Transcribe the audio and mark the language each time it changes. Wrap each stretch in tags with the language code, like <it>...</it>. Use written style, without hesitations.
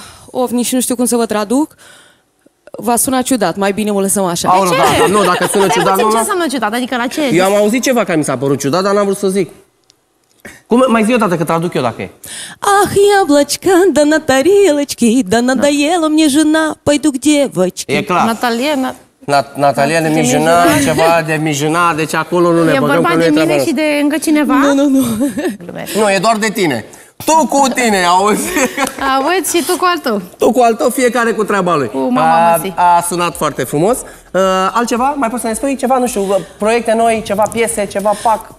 <ro>Of, nici nu știu cum să vă traduc. Va suna ciudat, mai bine o lăsăm așa. De ce? Nu, dacă sună ciudat, nu... Ce înseamnă ciudat? Adică la ce? Eu am auzit ceva care mi s-a părut ciudat, dar n-am vrut să zic. Cum, mai zi o dată, că traduc eu dacă e.</ro> <ru>Ах, яблочка, да на тарелочке, да надоела мне жена, пойду к девочке.</ru> <ro>E clar.</ro> <ru>Наталья...</ru> <ro>Natalia de mijina, ceva de mijina, deci acolo nu ne băgăm. E vorba de mine și de încă cineva? Nu. Nu, e doar de tine. Tu cu tine, auzi? Auzi și tu cu altul. Tu cu altul, fiecare cu treaba lui. Cu mama a sunat foarte frumos. Altceva? Mai poți să ne spui ceva? Nu știu, proiecte noi, ceva piese, ceva pac?</ro>